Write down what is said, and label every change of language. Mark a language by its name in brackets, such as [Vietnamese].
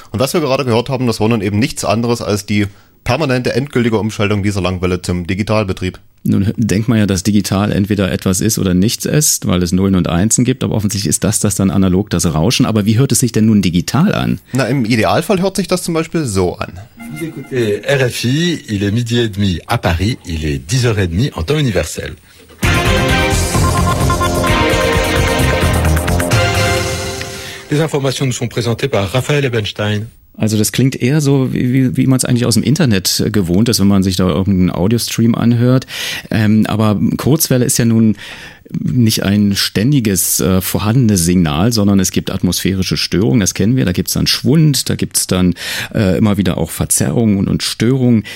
[German] Und was wir gerade gehört haben, das war nun eben nichts anderes als die permanente endgültige Umschaltung dieser Langwelle zum Digitalbetrieb. Nun denkt man ja, dass digital entweder etwas ist oder nichts ist, weil es Nullen und Einsen gibt, aber offensichtlich ist das dann analog, das Rauschen. Aber wie hört es sich denn nun digital an? Na, im Idealfall hört sich das zum Beispiel so an. [French] Vous écoutez RFI, il est midi et demi à Paris, il est 10h30 en temps universel. Les informations nous sont présentées par Raphaël Ebenstein. [German] Also das klingt eher so, wie man es eigentlich aus dem Internet gewohnt ist, wenn man sich da irgendeinen Audiostream anhört. Aber Kurzwelle ist ja nun nicht ein ständiges vorhandenes Signal, sondern es gibt atmosphärische Störungen, das kennen wir. Da gibt es dann Schwund, da gibt es dann immer wieder auch Verzerrungen und Störungen.